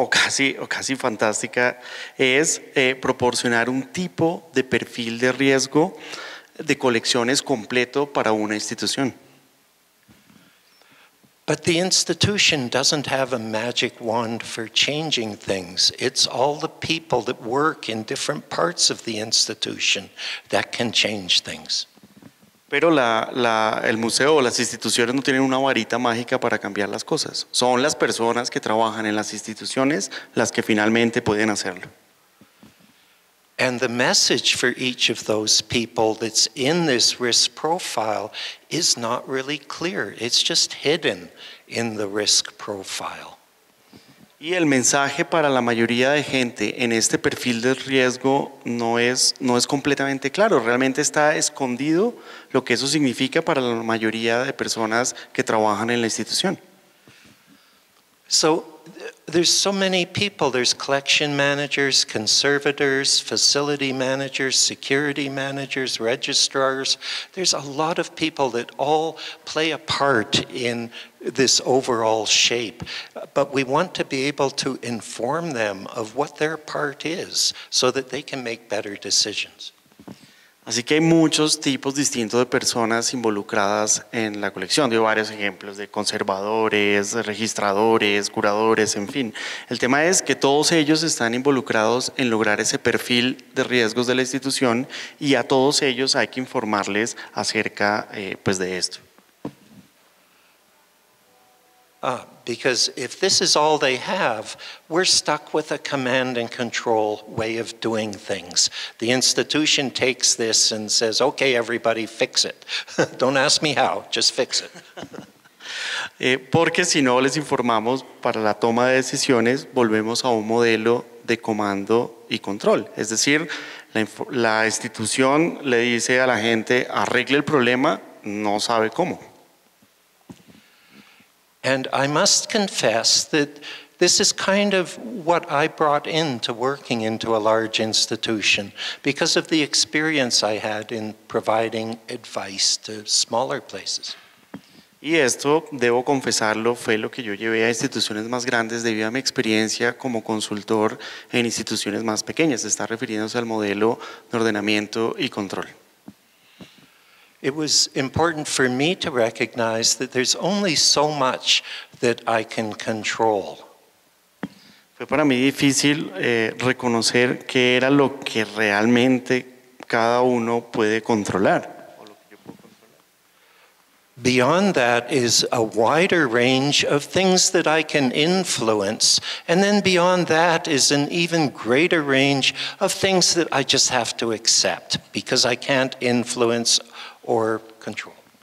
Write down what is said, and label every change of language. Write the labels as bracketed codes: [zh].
[es] o casi fantástica, es proporcionar un tipo de perfil de riesgo de colecciones completo para una institución. [en] But the institution doesn't have a magic wand for changing things. It's all the people that work in different parts of the institution that can change things. [es] Pero el museo o las instituciones no tienen una varita mágica para cambiar las cosas. Son las personas que trabajan en las instituciones las que finalmente pueden hacerlo. [en] And the message for each of those people that's in this risk profile is not really clear. It's just hidden in the risk profile. [es] Y el mensaje para la mayoría de gente en este perfil de riesgo no es completamente claro. Realmente está escondido lo que eso significa para la mayoría de personas que trabajan en la institución. [en] So, there's so many people. There's collection managers, conservators, facility managers, security managers, registrars. There's a lot of people that all play a part in this overall shape, but we want to be able to inform them of what their part is so that they can make better decisions. [es] Así que hay muchos tipos distintos de personas involucradas en la colección. Dio varios ejemplos de conservadores, registradores, curadores, en fin. El tema es que todos ellos están involucrados en lograr ese perfil de riesgos de la institución y a todos ellos hay que informarles acerca pues de esto. [en] Because if this is all they have, we're stuck with a command and control way of doing things. The institution takes this and says, okay, everybody, fix it. Don't ask me how, just fix it. [es] Porque si no les informamos para la toma de decisiones, volvemos a un modelo de comando y control. Es decir, la institución le dice a la gente, arregle el problema, no sabe cómo. [en] And I must confess that this is kind of what I brought into working into a large institution because of the experience I had in providing advice to smaller places. [es] Y esto, debo confesarlo, fue lo que yo llevé a instituciones más grandes debido a mi experiencia como consultor en instituciones más pequeñas. Está refiriéndose al modelo de ordenamiento y control. [en] It was important for me to recognize that there's only so much that I can control. [es] Fue para mí difícil reconocer qué era lo que realmente cada uno puede controlar. [en] Beyond that is a wider range of things that I can influence, and then beyond that is an even greater range of things that I just have to accept because I can't influence or control.